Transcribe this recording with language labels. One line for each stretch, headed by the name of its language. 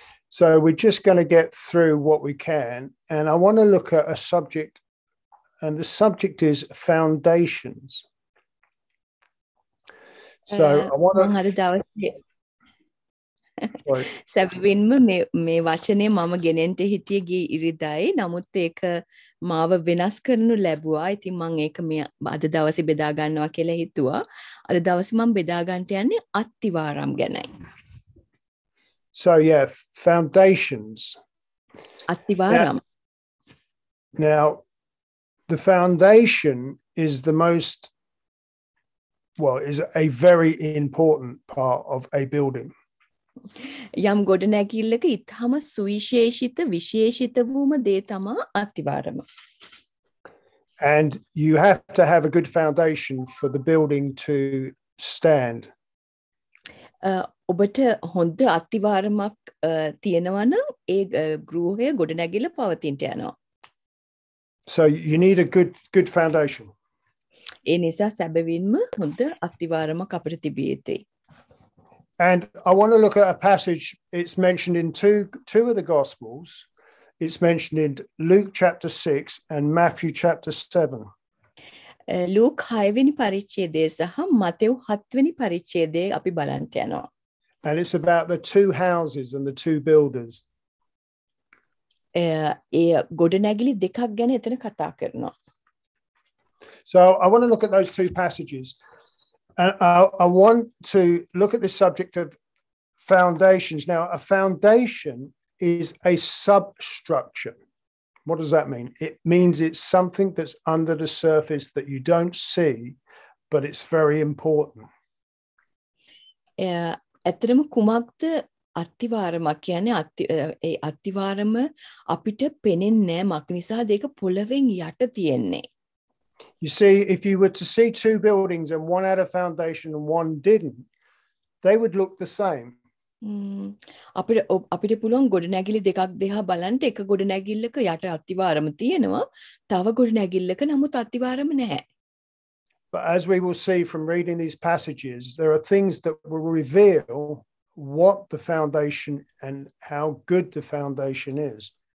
English: So we're just going to get through what we can. And I want to look at a subject, and the subject is foundations. So I want to.
Sinhala: Sabin me vachane mama genente hitiye gi iridai namut eka මාව වෙනස් කරනු ලැබුවා. ඉතින් මම ඒක මේ අද දවසේ බෙදා ගන්නවා කියලා හිතුවා. අද දවසේ මම බෙදා ගන්නට යන්නේ අත්තිවාරම් ගැනයි.
English: So yeah, foundations.
Sinhala: අත්තිවාරම්.
English: Now, the foundation is the most well, is a very important part of a building.
Sinhala: යම් ගොඩනැගිල්ලක ඉතාම සුවිශේෂිත විශේෂිත වූම දේ තමා අත්තිවාරම.
English: And you have to have a good foundation for the building to stand.
Sinhala: ඔබට හොඳ අත්තිවාරමක් තියෙනවා නම් ඒ ගෘහය ගොඩනැගිල්ල පවතින්ට යනවා.
English: So you need a good foundation.
Sinhala: ඒ නිසා සැබවින්ම හොඳ අත්තිවාරමක් අපිට තිබිය යුතුයි.
English: And I want to look at a passage. It's mentioned in two of the Gospels. It's mentioned in Luke chapter 6 and Matthew chapter 7.
Sinhala: Luke 6 වෙනි පරිච්ඡේදය සහ මතෙව් 7 වෙනි පරිච්ඡේදය අපි බලන්න යනවා.
English: And it's about the two houses and the two builders.
Sinhala: ඒ ගොඩනැගිලි දෙකක් ගැන එතන කතා කරනවා.
English: So I want to look at those two passages. And I want to look at the subject of foundations. Now, a foundation is a substructure. What does that mean? It means it's something that's under the surface that you don't see, but it's very important.
Sinhala: ඇත්තටම කුමක්ද අත්තිවාරමක් කියන්නේ ඒ අත්තිවාරම අපිට පෙනෙන්නේ නැහැ මක් නිසාද ඒක පොළවෙන් යට තියෙන්නේ.
English: You see, if you were to see two buildings and one had a foundation and one didn't, they would look the same.
Sinhala: අපිට පුළුවන් ගොඩනැගිලි දෙකක් දෙහා බලන්න එක ගොඩනැගිල්ලක යට අත්තිවාරම තියෙනවා තව ගොඩනැගිල්ලක නමුත් අත්තිවාරම නැහැ.
English: But as we will see from reading these passages, there are things that will reveal what the foundation and how good the foundation is.